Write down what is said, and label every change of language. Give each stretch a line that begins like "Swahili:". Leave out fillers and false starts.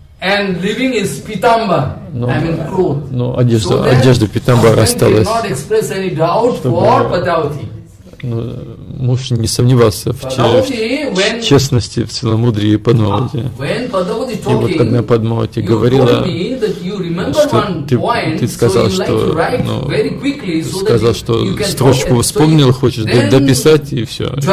English: And living is Pitambara, no, I mean clothes. No,
Russian: одежда,
English: so
Russian: одежда Питамбара осталась.
English: Husband did not express any doubt for Padmavati. No,
Russian: муж не сомневался в честности, в целомудрии Падмавати. И вот когда Падмавати говорила, что ты сказал, что, ну, сказал, что строчку вспомнил, хочешь дописать, и все.